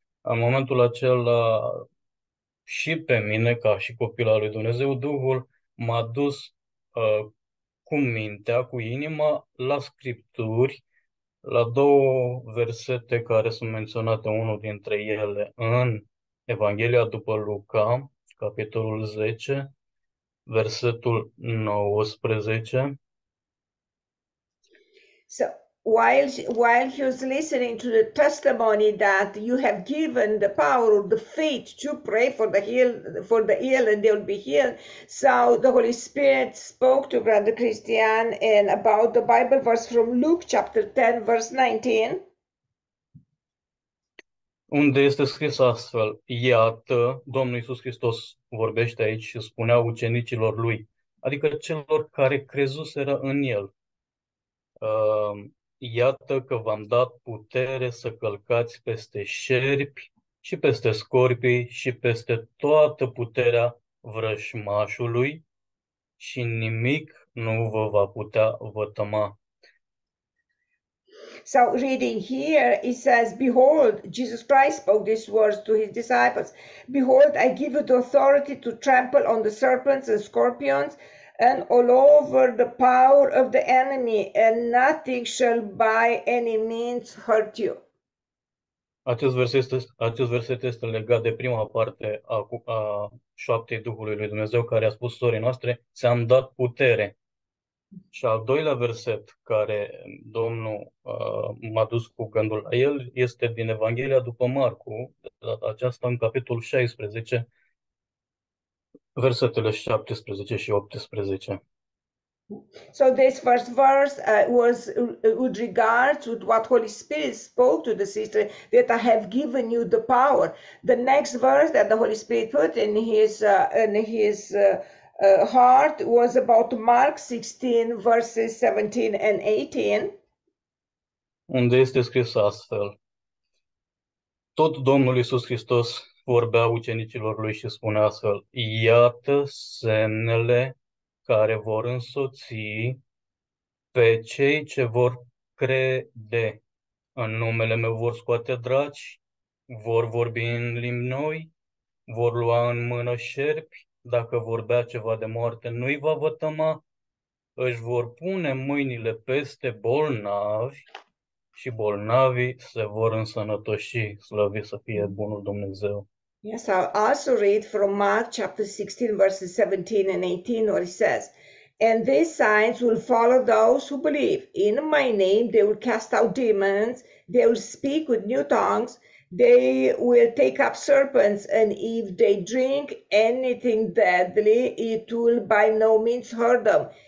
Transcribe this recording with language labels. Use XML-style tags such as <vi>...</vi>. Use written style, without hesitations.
<ro>În momentul acela, și pe mine, ca și copil al lui Dumnezeu, Duhul m-a dus cu mintea, cu inima, la Scripturi, la două versete care sunt menționate, unul dintre ele în Evanghelia după Luca, capitolul 10, versetul 19.</ro> <en>So while he was listening to the testimony that you have given the power or the faith to pray for the ill and they will be healed, so the Holy Spirit spoke to Brother Christian and about the Bible verse from Luke chapter 10 verse 19.</en> <ro>Unde este scris astfel, iată, Domnul Iisus Hristos vorbește aici și spunea ucenicilor lui, adică celor care crezuseră în el. Iată că v-am dat putere să călcați peste șerpi și peste scorpii și peste toată puterea vrășmașului și nimic nu vă va putea vătăma.</ro> <en>So reading here, it says, behold, Jesus Christ spoke these words to his disciples. Behold, I give you the authority to trample on the serpents and scorpions and all over the power of the enemy, and nothing shall by any means hurt you.</en> <ro>Acest verset este legat de prima parte a șaptei Duhului lui Dumnezeu, care a spus sorii noastre, ți-am dat putere. Și al doilea verset care Domnul m-a dus cu gândul la el este din Evanghelia după Marcu, aceasta în capitolul 16, versetele 17 și 18.</ro> <en>So this first verse was with regards to what Holy Spirit spoke to the sister, that I have given you the power. The next verse that the Holy Spirit put in his heart was about Mark 16, verses 17 and 18.</en> <ro>Unde este scris astfel. Tot Domnul Iisus Hristos vorbea ucenicilor lui și spunea astfel, iată semnele care vor însoți pe cei ce vor crede. În numele meu vor scoate draci, vor vorbi în limbi noi, vor lua în mână șerpi, dacă vor bea ceva de moarte nu-i va vătăma, își vor pune mâinile peste bolnavi și bolnavii se vor însănătoși, slăvi să fie bunul Dumnezeu.</ro> <en>Yes, I'll also read from Mark chapter 16, verses 17 and 18, where it says, and these signs will follow those who believe. In my name, they will cast out demons, they will speak with new tongues, they will take up serpents, and if they drink anything deadly, it will by no means hurt them.</en>